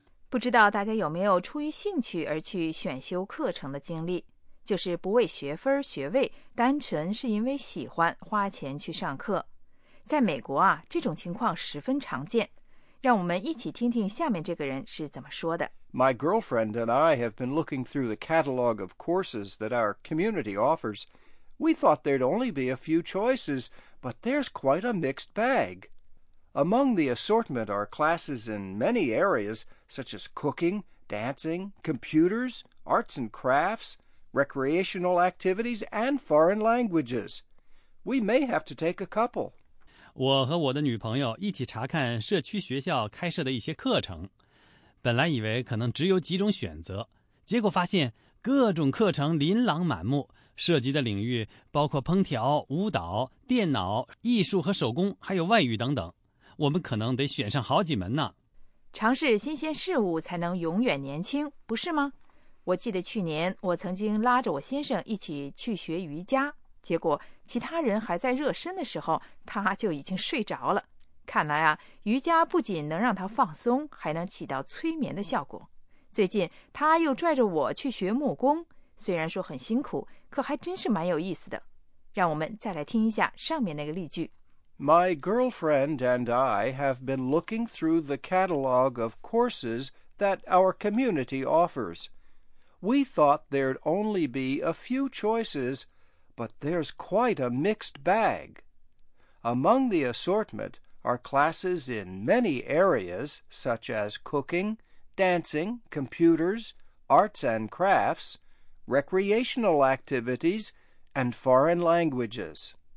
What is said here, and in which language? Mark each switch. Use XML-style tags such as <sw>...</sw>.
<zh>不知道大家有没有出于兴趣而去选修课程的经历，就是不为学分学位，单纯是因为喜欢花钱去上课。在美国啊，这种情况十分常见。让我们一起听听下面这个人是怎么说的。</zh> <en>My girlfriend and I have been looking through the catalog of courses that our community offers. We thought there'd only be a few choices, but there's quite a mixed bag. Among the assortment are classes in many areas, such as cooking, dancing, computers, arts and crafts, recreational activities, and foreign languages. We may have to take a couple.</en> <zh>我和我的女朋友一起查看社区学校开设的一些课程。本来以为可能只有几种选择，结果发现各种课程琳琅满目，涉及的领域包括烹调、舞蹈、电脑、艺术和手工，还有外语等等。我们可能得选上好几门呢。尝试新鲜事物才能永远年轻，不是吗？我记得去年我曾经拉着我先生一起去学瑜伽，结果其他人还在热身的时候，他就已经睡着了。看来啊，瑜伽不仅能让他放松，还能起到催眠的效果。最近他又拽着我去学木工，虽然说很辛苦，可还真是蛮有意思的。让我们再来听一下上面那个例句。</zh> <en>My girlfriend and I have been looking through the catalog of courses that our community offers. We thought there'd only be a few choices, but there's quite a mixed bag. Among the assortment are classes in many areas, such as cooking, dancing, computers, arts and crafts, recreational activities, and foreign languages.</en>